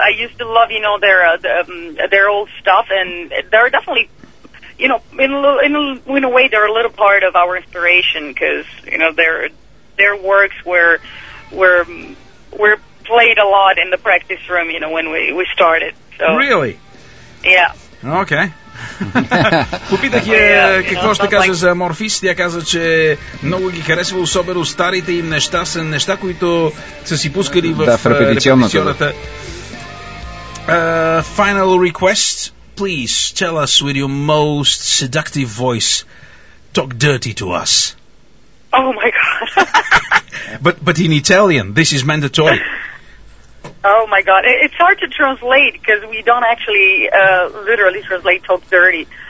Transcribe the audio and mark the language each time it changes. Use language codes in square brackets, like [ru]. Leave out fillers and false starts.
[en] I used to love, you know, their old stuff, and they're definitely, you know, in a way, they're a little part of our inspiration because, you know, their works were played a lot in the practice room, you know, when we started. So. Really? Yeah. Okay. [bg] Попитах я какво ще каже за Amorphis. Тя каза, че много ги харесва, особено старите им неща са неща, които са си пускали в репетиционната. [en] Final request. Please tell us with your most seductive voice. Talk dirty to us. Oh my god. but in Italian, this is mandatory. Oh my god, it's hard to translate because we don't actually literally translate talk dirty.